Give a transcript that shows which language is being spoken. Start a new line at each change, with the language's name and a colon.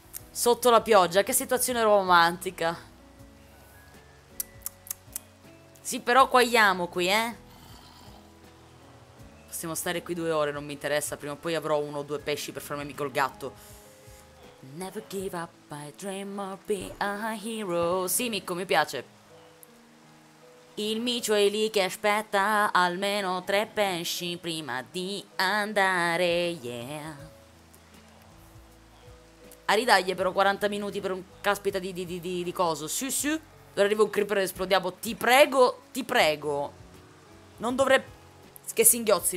Italian: Sotto la pioggia, che situazione romantica. Sì, però quagliamo qui, eh. Possiamo stare qui 2 ore, non mi interessa. Prima o poi avrò uno o due pesci per farmi amico il gatto.
English: Never give up my dream of being a hero.
Italian: Sì, Mikko, mi piace. Il micio è lì che aspetta almeno 3 pesci prima di andare, yeah. Aridaglie però 40 minuti per un caspita di coso. Sì. Ora arriva un creeper e esplodiamo. Ti prego, ti prego. Non dovrebbe. Che singhiozzi.